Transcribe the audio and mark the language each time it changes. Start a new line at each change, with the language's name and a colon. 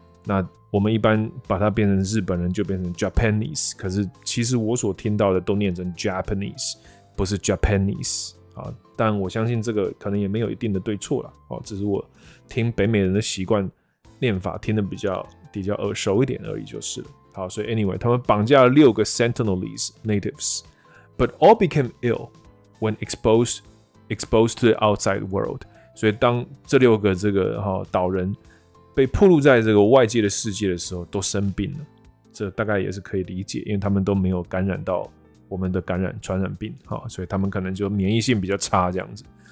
Chinese: 那我们一般把它变成日本人就变成 Japanese， 可是其实我所听到的都念成 Japanese， 不是 Japanese 啊。但我相信这个可能也没有一定的对错了，哦，只是我听北美人的习惯念法听得比较耳熟一点而已，就是了。好，所以 anyway， 他们绑架了六个
English: Sentinelese natives， but all became ill when exposed to the outside world。
Chinese: 所以当这六个这个哈岛人。被暴露在这个外界的世界的时候，都生病了。这大概也是可以理解，因为他们都没有感染到我们的传染病，所以他们可能就免疫性比较差这样子。